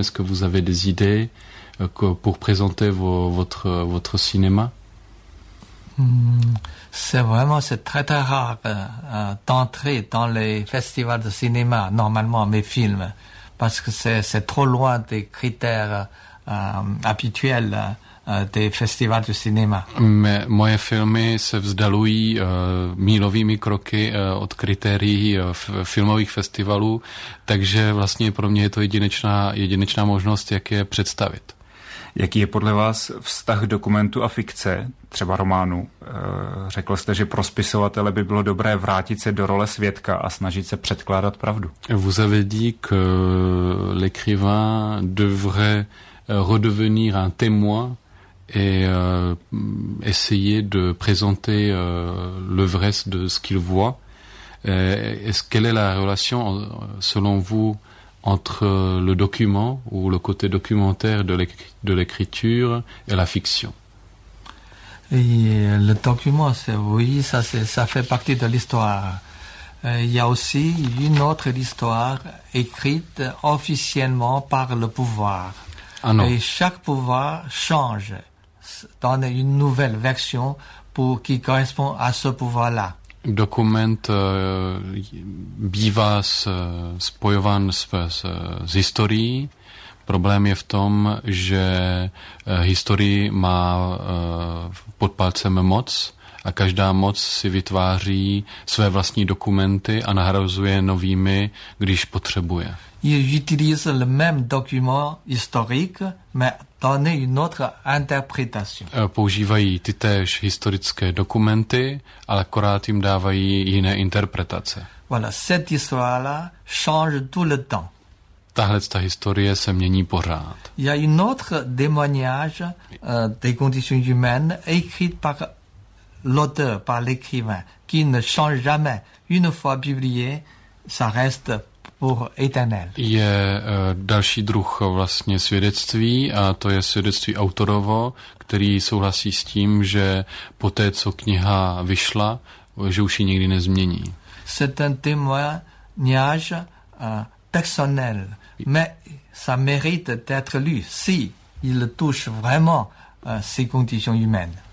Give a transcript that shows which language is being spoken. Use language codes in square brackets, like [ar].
[fr] Est-ce que vous avez des idées pour présenter votre cinéma? C'est très très rare d'entrer dans les festivals de cinéma normalement mes films. Parce que c'est trop loin des critères habituels des festivals de cinéma. [cs] Mais moje filmy se vzdalují mílovými kroky od kritérií filmových festivalů, takže vlastně pro mě je to jedinečná možnost, jak je představit. Jaký je podle vás vztah dokumentu a fikce, třeba románu? Řekl jste, že pro spisovatele by bylo dobré vrátit se do role svědka a snažit se předkládat pravdu. [fr] Vous avez dit que l'écrivain devrait redevenir un témoin et essayer de présenter le vrai de ce qu'il voit. Quelle est la relation, selon vous, entre le document ou le côté documentaire de l'écriture et la fiction? Et le document, ça fait partie de l'histoire. Il y a aussi une autre histoire écrite officiellement par le pouvoir. Ah non. Et chaque pouvoir change, donne une nouvelle version pour qui correspond à ce pouvoir-là. [cs] Dokument bývá spojován s historií. Problém je v tom, že historii má pod palcem moc a každá moc si vytváří své vlastní dokumenty a nahrazuje novými, když potřebuje. [fr] Utilise le même document historique, mais donne une autre interprétation. [cs] Používají tytéž historické dokumenty, ale akorát jim dávají jiné interpretace. [fr] Voilà, cette histoire-là change tout le temps. [cs] Tahle ta historie se mění pořád. [fr] Il y a une autre témoignage des conditions humaines écrite par l'auteur, par l'écrivain, qui ne change jamais. Une fois publié, ça reste pour éternel. [cs] Je další druh vlastně svědectví a to je svědectví autorovo, který souhlasí s tím, že poté, co kniha vyšla, že už ji nikdy nezmění. [fr] C'est un témoignage personnel, mais ça mérite d'être lu, si il touche vraiment ses conditions humaines.